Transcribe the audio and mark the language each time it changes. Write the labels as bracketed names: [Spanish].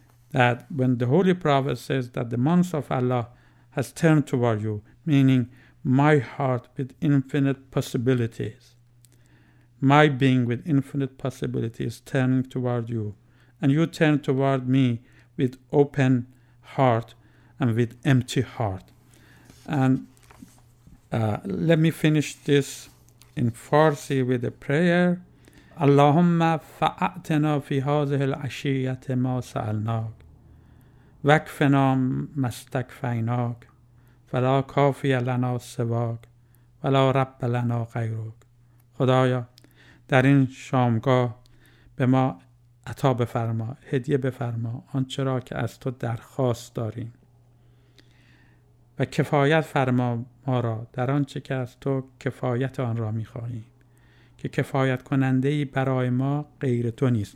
[English] That when the Holy Prophet says that the month of Allah has turned toward you, meaning my heart with infinite possibilities, my being with infinite possibilities turning toward you, and you turn toward me with open heart and with empty heart. And let me finish this in Farsi with a prayer. [Arabic] اللهم فأعتنا في هذه العشية ما سألناك وكفنا ما استكفيناك فلا كافي لنا سواك ولا رب لنا غيرك. [Persian] خدایا در این شامگاه به ما عطا بفرما، هدیه بفرما آنچه را که از تو درخواست داریم و کفایت فرما ما را در آنچه که از تو کفایت آن را می‌خواهیم، که کفایت کننده برای ما غیر تو نیست.